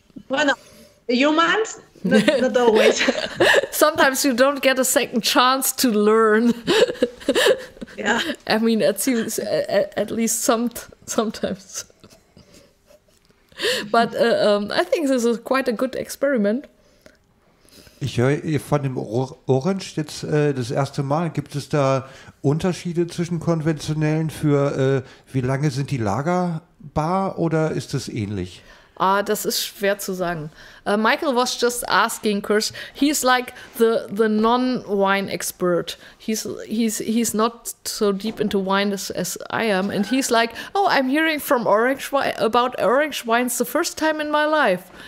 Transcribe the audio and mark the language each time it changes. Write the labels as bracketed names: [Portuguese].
[English] Well, humans. Not always. Sometimes you don't get a second chance to learn. Yeah. I mean, at least sometimes. But I think this is quite a good experiment. [German] Ich höre von dem Orange jetzt das erste Mal. Gibt es da Unterschiede zwischen konventionellen für wie lange sind die lagerbar oder ist es ähnlich? Das ist schwer zu sagen. [English] Michael was just asking, because he's like the non-wine expert. He's not so deep into wine as I am. And he's like, oh, I'm hearing from orange wines the first time in my life.